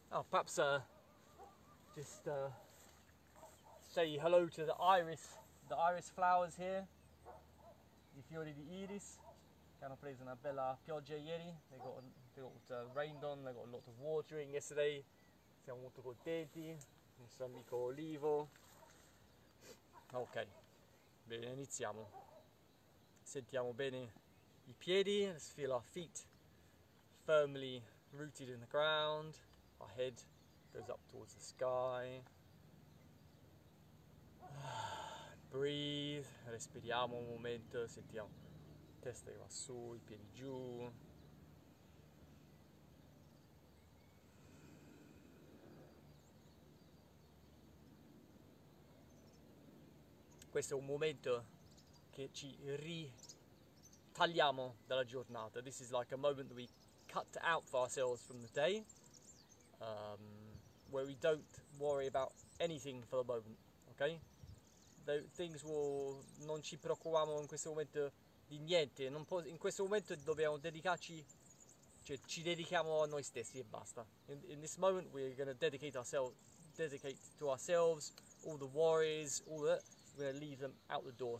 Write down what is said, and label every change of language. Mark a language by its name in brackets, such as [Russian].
[English] Perhaps just say hello to the iris flowers here. [Italian] I fiori di iris, che hanno preso una bella pioggia ieri. [English] They got rained on, they got a lot of watering yesterday. [Italian] Siamo molto contenti. Il nostro amico Olivo. Ok, bene, iniziamo. Sentiamo bene i piedi, [English] let's feel our feet firmly rooted in the ground, our head goes up towards the sky. [Italian] Breathe, respiriamo un momento, sentiamo la testa che va su, i piedi giù. Questo è un momento che ci tagliamo dalla giornata. [English] This is like a moment that we cut out for ourselves from the day, where we don't worry about anything for the moment, okay? [Italian] Non ci preoccupiamo in questo momento di niente, in questo momento dobbiamo dedicarci, cioè ci dedichiamo a noi stessi e basta. [English] In this moment we're going to dedicate to ourselves all the worries, we're going to leave them out the door.